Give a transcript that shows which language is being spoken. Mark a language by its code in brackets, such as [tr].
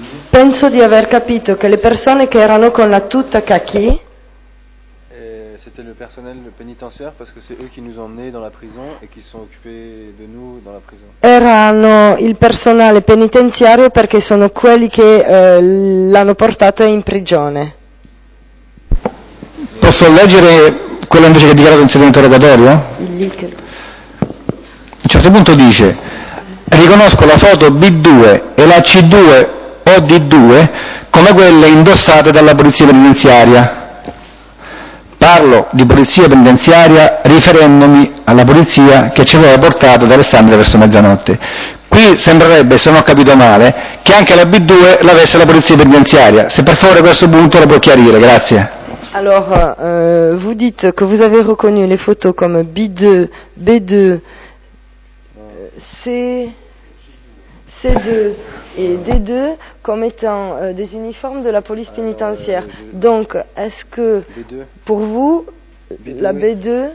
[it] Penso di aver capito che le persone che erano con la tuta kaki. [fr] C'était le personnel pénitentiaire parce que c'est eux qui nous ont emmenés dans la prison et qui sont occupés de nous dans la prison. [it] Erano il personale penitenziario perché sono quelli che l'hanno portato in prigione. Posso leggere quello invece che ha dichiarato in sede interrogatorio? A un certo punto dice: riconosco la foto B2 e la C2 o D2 come quelle indossate dalla polizia penitenziaria. Parlo di polizia penitenziaria riferendomi alla polizia che ci aveva portato da Alessandria verso mezzanotte. Qui qui sembrerebbe, se non ho capito male, che anche la B2 l'avesse la polizia penitenziaria. Se per favore questo punto lo può chiarire, grazie. [fr] Allora, vous dites que vous avez reconnu les photos comme B2, B2, C2 et D2 comme étant des uniformes de la police pénitentiaire. Donc, est-ce que pour vous, B2, la B2...